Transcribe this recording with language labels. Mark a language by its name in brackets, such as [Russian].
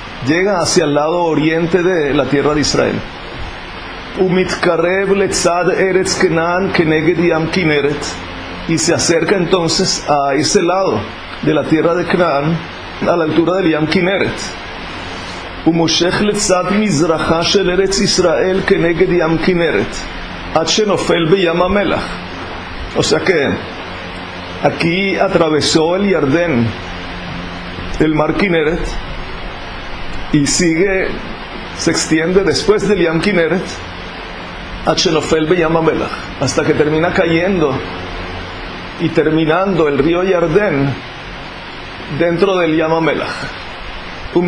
[Spanish] Llega hacia el lado oriente de la tierra de Israel. [Hebrew] ומתקרב לצד ארץ כנען כנגד ים כנרת, [Spanish] y se acerca entonces a ese lado de la tierra de Canaán, a la altura del ים כנרת. [Hebrew] ומושך לצד מזרחה של ארץ ישראל כנגד ים כנרת, עד שנופל בים המלח. [Spanish] O sea que aquí atravesó el Yarden, el mar Kineret, y sigue, se extiende después del ים כנרת, hasta que termina cayendo y terminando el río Yarden dentro del Yam HaMelach.